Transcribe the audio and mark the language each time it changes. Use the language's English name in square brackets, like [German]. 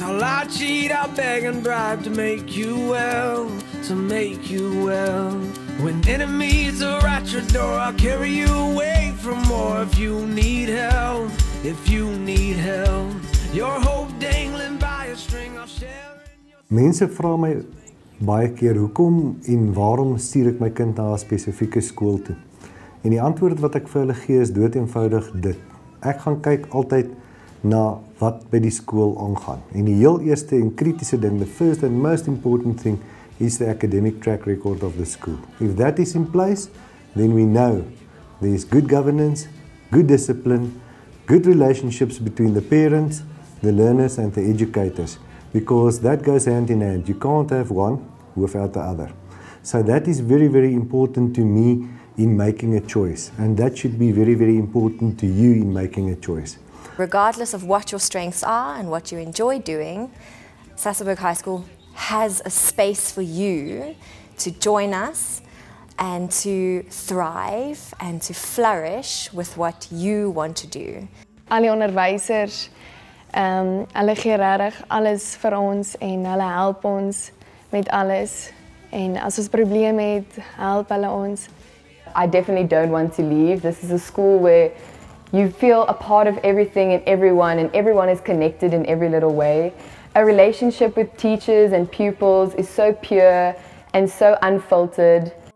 [English] I'll lie, cheat, I'll beg and bribe to make you well, to make you well. When enemies are at your door, I'll carry you away from war. If you need help, if you need help, your hope dangling by a string, I'll share in your... [Afrikaans] Mensen vra my baie keer, hoekom en waarom stuur ek my kind na 'n spesifieke skool toe? En die antwoord wat ek vir hulle gee is dood eenvoudig dit. Ek gaan kyk altyd na wat by die skool aangaan. En die heel eerste en kritiese ding, [English] the first and most important thing, is the academic track record of the school. If that is in place, then we know there is good governance, good discipline, good relationships between the parents, the learners and the educators. Because that goes hand in hand. You can't have one without the other. So that is very, very important to me in making a choice. And that should be very, very important to you in making a choice. Regardless of what your strengths are and what you enjoy doing, Sasolburg High School has a space for you to join us and to thrive and to flourish with what you want to do. [Afrikaans] Alle onderwysers, hulle gee regtig alles vir ons en hulle help ons met alles. En as ons probleme het, help hulle ons. [English] I definitely don't want to leave. This is a school where you feel a part of everything and everyone is connected in every little way. A relationship with teachers and pupils is so pure and so unfiltered.